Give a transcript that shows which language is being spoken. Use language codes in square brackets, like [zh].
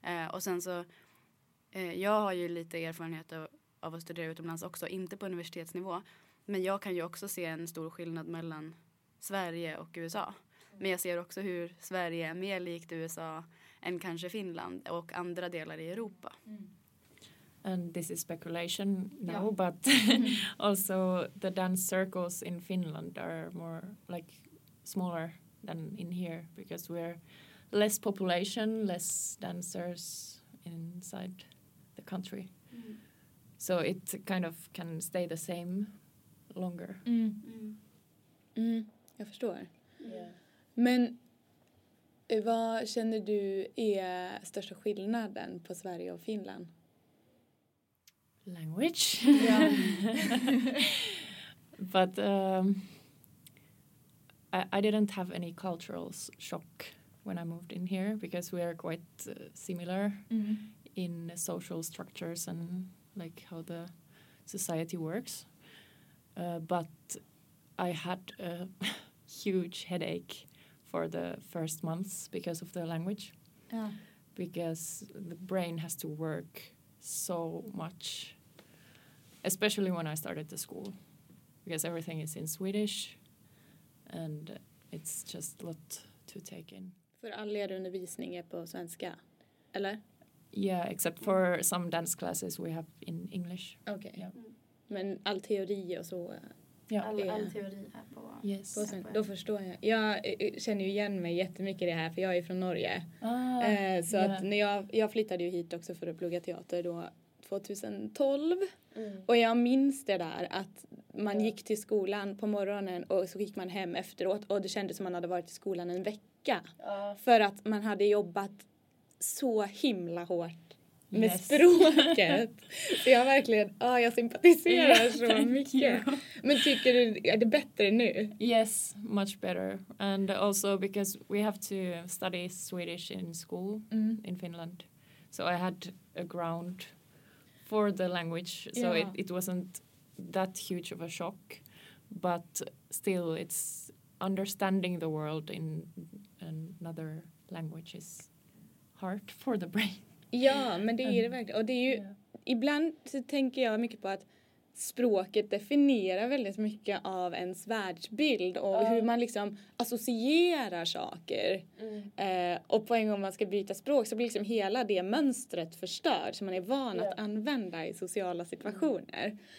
[sv] Och sen så, jag har ju lite erfarenhet av att studera utomlands också, inte på universitetsnivå. Men jag kan ju också se en stor skillnad mellan Sverige och USA. Men jag ser också hur Sverige är mer likt USA än kanske Finland och andra delar i Europa. [en] And this is speculation now, but also the dance circles in Finland are more like smaller than in here because we're less population, less dancers inside the country. So it kind of can stay the same longer. [sv] Jag förstår. [en] Yeah. [sv] Men vad känner du är största skillnaden på Sverige och Finland? [en] Language. But I didn't have any cultural shock when I moved in here because we are quite similar in social structures and like how the society works. But I had a huge headache for the first months because of the language. Yeah. Because the brain has to work so much, especially when I started the school, because everything is in Swedish and it's just a lot to take in. [sv] För all er undervisning är på svenska, eller? [en] Yeah, except for some dance classes we have in English. Okay. Yeah. [sv] Men all teori och så Ja. All teori är på, [en] yes. [sv] På sen, då förstår jag. Jag känner ju igen mig jättemycket i det här, för jag är från Norge. Så att när jag flyttade ju hit också för att plugga teater då 2012. Mm. Och jag minns det där att man gick till skolan på morgonen och så gick man hem efteråt. Och det kändes som man hade varit i skolan en vecka. För att man hade jobbat så himla hårt med språket. Så jag verkligen, jag sympatiserar så mycket. [en] You. [sv] Men tycker du, är det bättre nu? [en] Yes, much better. And also because we have to study Swedish in school in Finland. So I had a ground for the language, so it wasn't that huge of a shock, but still, it's understanding the world in another language is hard for the brain. [sv] Ja, men det är det verkligen. Och det är ju, ibland så tänker jag mycket på att språket definierar väldigt mycket av ens världsbild och hur man liksom associerar saker. Och på en gång man ska byta språk så blir liksom hela det mönstret förstört som man är van att använda i sociala situationer.